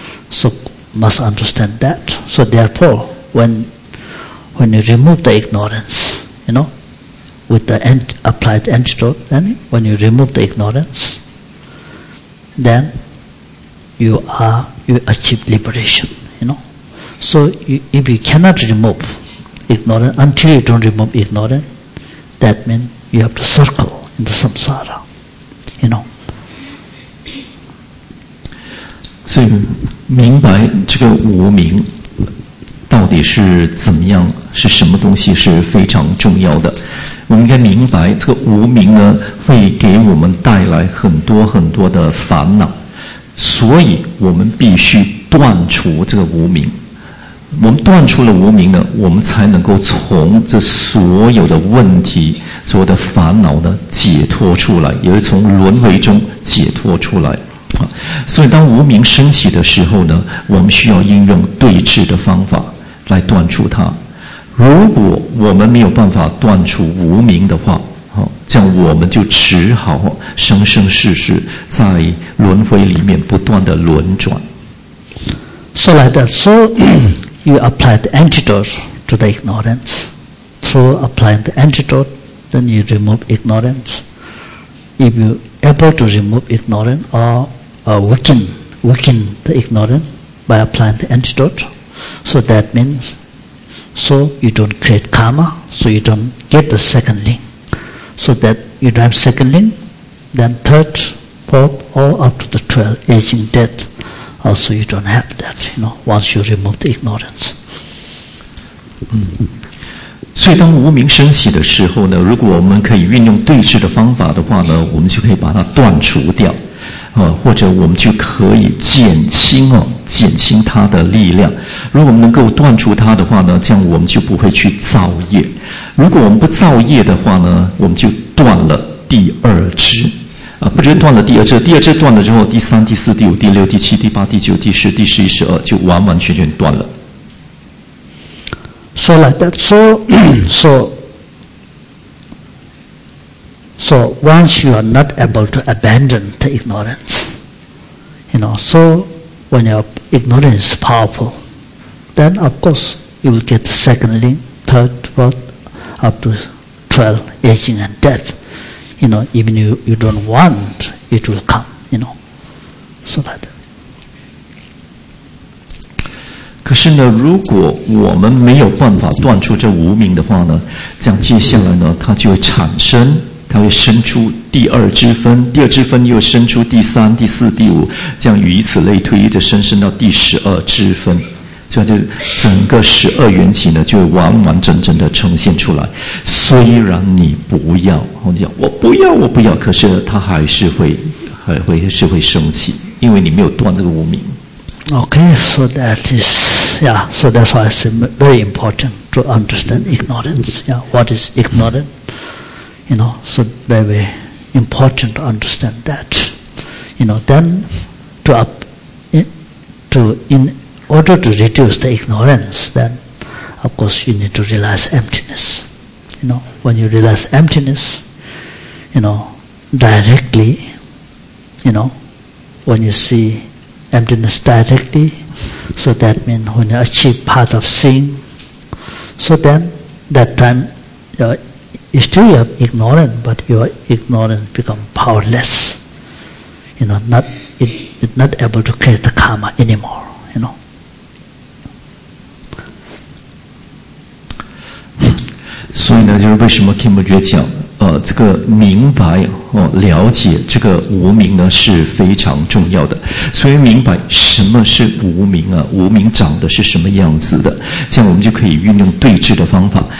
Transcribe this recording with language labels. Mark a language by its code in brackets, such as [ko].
[en] So must understand that. So therefore, when you remove the ignorance, you know, with the applied antidote, then when you remove the ignorance, then you achieve liberation, you know. So if you cannot remove ignorance, until you don't remove ignorance, that means,you have to circle in the samsara, you know. [zh] 所以明白这个无明到底是怎么样，是什么东西是非常重要的。我们应该明白这个无明呢会给我们带来很多很多的烦恼，所以我们必须断除这个无明。我们断除了无明呢，我们才能够从这所有的问题、所有的烦恼呢解脱出来，也是从轮回中解脱出来。所以当无明升起的时候呢，我们需要应用对治的方法来断除它。如果我们没有办法断除无明的话，这样我们就只好生生世世在轮回里面不断的轮转。 [en] So like that, so you apply the antidote to the ignorance. Through applying the antidote, then you remove ignorance. If you able to remove ignorance or weaken the ignorance by applying the antidote, so that means, so you don't create karma, so you don't get the second link. So that you don't have second link, then third, fourth, all up to the 12, aging, death, also you don't have that, you know, once you remove the ignorance. [zh] 所以当无明升起的时候呢，如果我们可以运用对治的方法的话呢，我们就可以把它断除掉，或者我们就可以减轻它的力量。如果我们能够断除它的话呢，这样我们就不会去造业。如果我们不造业的话呢，我们就断了第二支，不只断了第二支断了之后，第三、第四、第五、第六、第七、第八、第九、第十、第十一、十二，就完完全全断了。 [en] So like that. So once you are not able to abandon the ignorance, you know, so when your ignorance is powerful, then of course you will get the second link, third, fourth, up to 12, aging and death. You know, even you don't want, it will come, you know. So like that. [zh] 可是呢，如果我们没有办法断除这无明的话呢，这样接下来呢，它就会产生，它会生出第二支分，第二支分又生出第三、第四、第五，这样与此类推，一直生生到第十二支分，所以就整个十二缘起呢，就会完完整整的呈现出来。虽然你不要，你讲我不要，我不要，可是它还是会生气，因为你没有断这个无明。 [en] Okay, so that is, yeah, so that's why it's very important to understand ignorance. Yeah, what is ignorance? You know, so very important to understand that. You know, then in order to reduce the ignorance, then of course you need to realize emptiness. You know, when you realize emptiness, you know, directly, you know, when you seeemptiness directly, so that means when you achieve path of seeing, so then that time you still have ignorance, but your ignorance become powerless, you know, it's not able to create the karma anymore, you know. [zh] 所以呢，就是为什么 Kim Jue 讲这个明白了解这个无明呢是非常重要的。所以明白什么是无明啊，无明长的是什么样子的，这样我们就可以运用对治的方法。